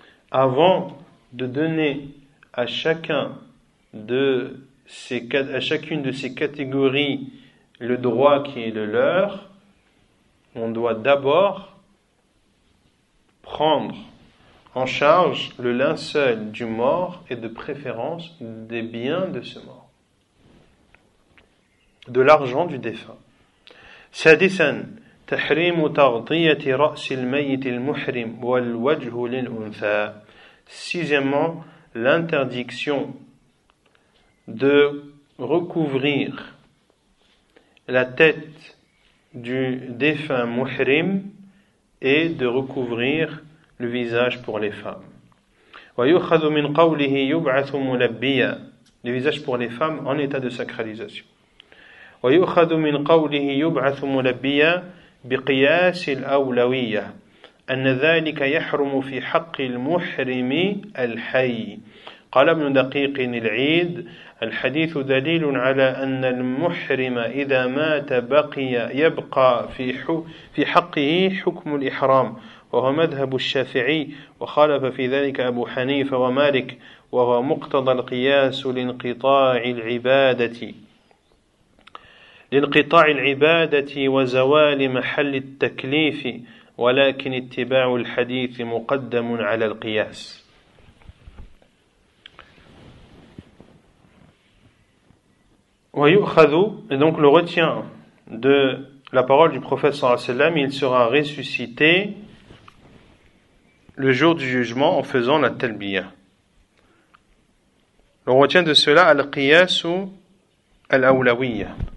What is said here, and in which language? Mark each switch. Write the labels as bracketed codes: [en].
[fr] Avant de donner à chacune de ces catégories le droit qui est le leur, on doit d'abord prendre en charge le linceul du mort et de préférence des biens de ce mort, de l'argent du défunt. [ar] سادسا تحريم تغطية رأس الميت المحرم والوجه للأنثى. [fr] Sixièmement, l'interdiction de recouvrir la tête du défunt muhrim et de recouvrir le visage pour les femmes. [ar] ويؤخذ من قوله يبعث ملبيا. [fr] Le visage pour les femmes en état de sacralisation. [ar] ويؤخذ من قوله يبعث ملبيا بقياس الأولوية أن ذلك يحرم في حق المحرم الحي. قال ابن دقيق العيد: الحديث دليل على أن المحرم إذا مات بقي يبقى في حقه حكم الإحرام، وهو مذهب الشافعي، وخالف في ذلك أبو حنيفة ومالك، وهو مقتضى القياس لانقطاع العبادة. لانقطاع العبادة وزوال محل التكليف ولكن اتباع الحديث مقدم على القياس. ويؤخذ [fr] donc le retient de la parole du prophète [ar] صلى الله عليه وسلم, [fr] il sera ressuscité le jour du jugement en faisant la talbiya. On retient de cela al-qiyas ou al-awlawiyya.